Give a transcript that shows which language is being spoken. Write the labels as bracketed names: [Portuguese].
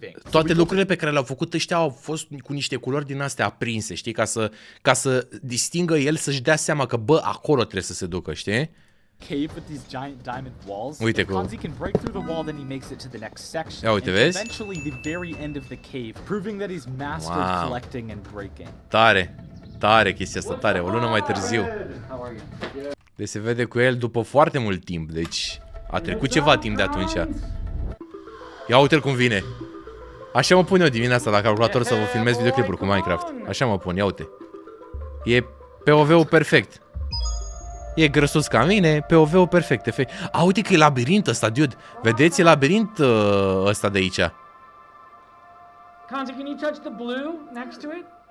[Romanian] Toate lucrurile pe care le-au făcut ăștia au fost cu niște culori din astea aprinse, știi, ca să distingă el, să-și dea seama că, bă, acolo trebuie să se ducă, știi? [English] Cave with these giant diamond walls. Uite, cool. Conzi can break through the wall, then he makes it to the next section. Ia uite, vezi? Eventually the very end of the cave, proving that he's mastered collecting and breaking. [Romanian] Tare chestia asta, tare. O lună mai târziu. Deci se vede cu el după foarte mult timp, deci a trecut ceva timp de atunci. Ia uite-l cum vine. Așa mă pun eu dimineața la calculator să vă filmez videoclipuri cu Minecraft. Așa mă pun, ia uite. E POV-ul perfect. E grăsus ca mine, POV-ul perfect. A, uite că e labirint ăsta, dude. Vedeți, e labirint ăsta de aici. [English] Conzi, can you touch the blue next to it?